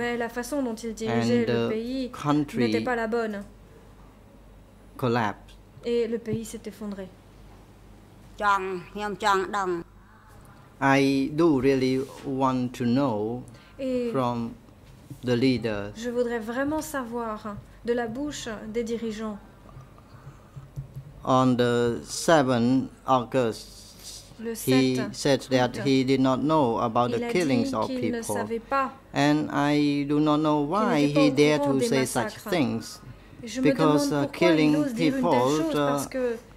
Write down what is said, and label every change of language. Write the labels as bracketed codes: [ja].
[en] and the country collapsed. I do really want to know from the leaders. [fr] Je voudrais vraiment savoir de la bouche des dirigeants. [en] On the 7th August, he said that he did not know about the killings of people. And I do not know why he dared to say such things. Because killing people